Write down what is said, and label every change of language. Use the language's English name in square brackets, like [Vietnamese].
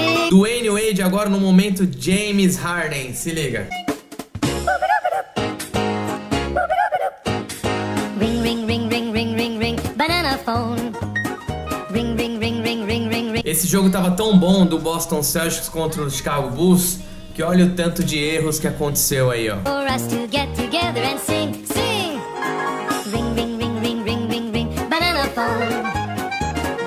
[Portuguese] Dwayne Wade agora no momento James Harden, se liga. [English] Ring, ring, ring, ring, ring, ring, ring, banana phone. Ring, ring, ring, ring, ring, ring, ring. [Portuguese] Esse jogo tava tão bom do Boston Celtics contra o Chicago Bulls que olha o tanto de erros que aconteceu aí, ó. [English] For us to get together and sing, sing. Ring, ring, ring, ring, ring, ring, ring, banana phone.